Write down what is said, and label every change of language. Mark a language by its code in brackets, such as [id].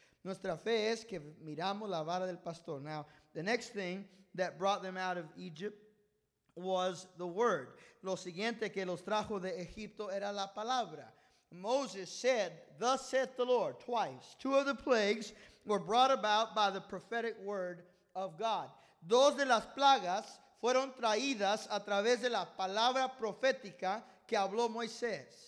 [es] Nuestra fe es que miramos la vara del pastor. [en] Now, the next thing that brought them out of Egypt was the word. [es] Lo siguiente que los trajo de Egipto era la palabra. [en] Moses said, thus saith the Lord, twice. Two of the plagues were brought about by the prophetic word of God. [es] Dos de las plagas fueron traídas a través de la palabra profética que habló Moisés.